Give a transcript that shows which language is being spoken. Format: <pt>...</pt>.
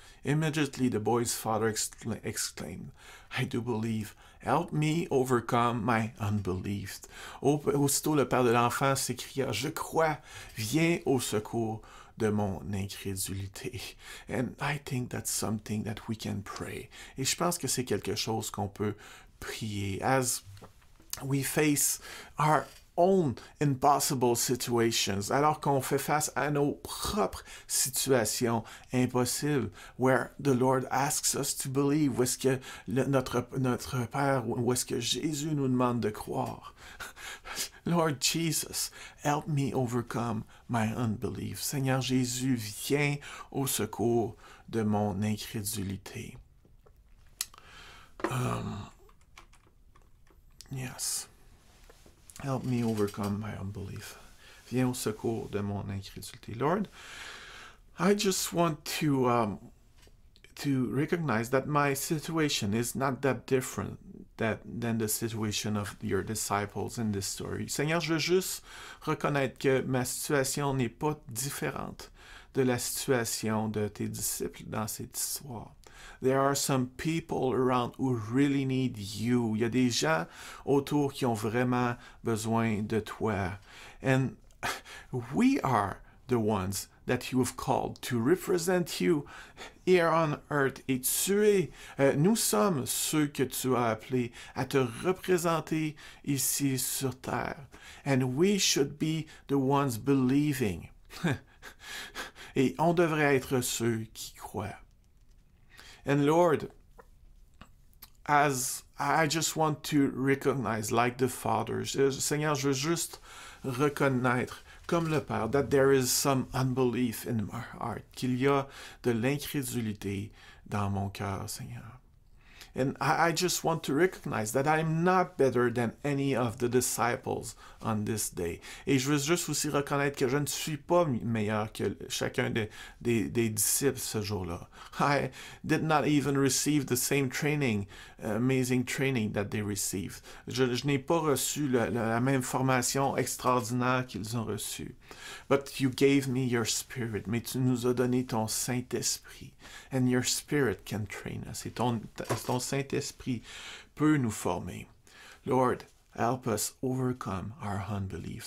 <en>Immediately, the boy's father exclaimed, I do believe. Help me overcome my unbelief.</en> <fr>Aussitôt, le père de l'enfant s'écria, je crois, viens au secours de mon incrédulité.</fr> <en>And I think that's something that we can pray.</en> <fr>Et je pense que c'est quelque chose qu'on peut prier.</fr> <en>As we face our own impossible situations,</en> <fr>alors qu'on fait face à nos propres situations impossibles,</fr> <en>where the Lord asks us to believe,</en> <fr>où est-ce que notre Père, où est-ce que Jésus nous demande de croire.</fr> <en>Lord Jesus, help me overcome my unbelief.</en> <fr>Seigneur Jésus, viens au secours de mon incrédulité.</fr> <en>Yes. Help me overcome my unbelief.</en> <fr>Viens au secours de mon incrédulité.</fr> <en>Lord, I just want to recognize that my situation is not that different than the situation of your disciples in this story.</en> <fr>Seigneur, je veux juste reconnaître que ma situation n'est pas différente de la situation de tes disciples dans cette histoire.</fr> <en>There are some people around who really need you.</en> <fr>Il y a des gens autour qui ont vraiment besoin de toi.</fr> <en>And we are the ones that you have called to represent you here on earth.</en> <fr>Et tu es, nous sommes ceux que tu as appelés à te représenter ici sur terre.</fr> <en>And we should be the ones believing.</en> <fr>Et on devrait être ceux qui croient.</fr> <en>And Lord, as I just want to recognize, like the Father,</en> <fr>Seigneur, je veux juste reconnaître, comme le Père,</fr> <en>that there is some unbelief in my heart,</en> <fr>qu'il y a de l'incrédulité dans mon cœur, Seigneur.</fr> <en>And I just want to recognize that I'm not better than any of the disciples on this day.</en> <fr>Et je veux juste aussi reconnaître que je ne suis pas meilleur que chacun des disciples ce jour-là.</fr> <en>I did not even receive the same training, amazing training that they received.</en> <fr>Je n'ai pas reçu la même formation extraordinaire qu'ils ont reçue.</fr> <en>But you gave me your spirit.</en> <fr>Mais tu nous as donné ton Saint-Esprit.</fr> <en>And your spirit can train us.</en> <fr>Et ton Saint-Esprit peut nous former.</fr> <en>Lord, help us overcome our unbelief.</en>